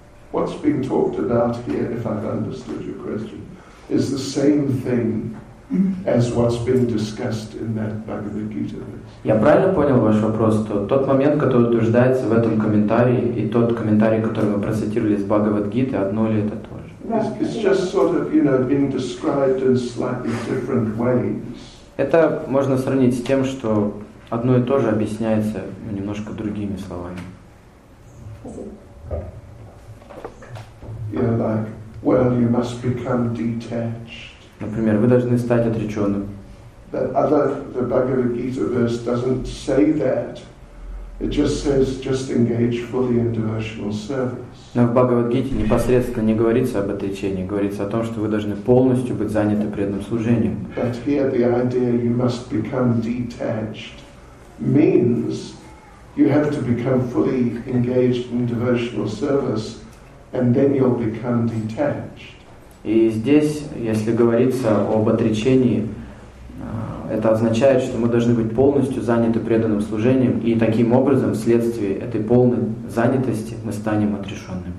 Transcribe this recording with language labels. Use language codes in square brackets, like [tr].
[en] What's being talked about here, if I've understood your question, is the same thing as what's been discussed in that Bhagavad Gita verse. [ru] Я правильно понял ваш вопрос, что тот момент, который утверждается в этом комментарии, и тот комментарий, который вы процитировали из Бхагавад Гиты, одно ли это то же? [en] It's just sort of, you know, being described in slightly different ways. [ru] Это можно сравнить с тем, что одно и то же объясняется немножко другими словами. [en] You're like, well, you must become detached. [ru] Например, вы должны стать отреченным. [en] The Bhagavad Gita verse doesn't say that. It just says, just engage fully in devotional service. [ru] Но в Бхагавад Гите непосредственно не говорится об отречении, говорится о том, что вы должны полностью быть заняты преданным служением. [en] But here the idea you must become detached means you have to become fully engaged in devotional service, and then you'll become detached. [ru] И здесь, если говорится об отречении, это означает, что мы должны быть полностью заняты преданным служением, и таким образом, вследствие этой полной занятости, мы станем отрешенными.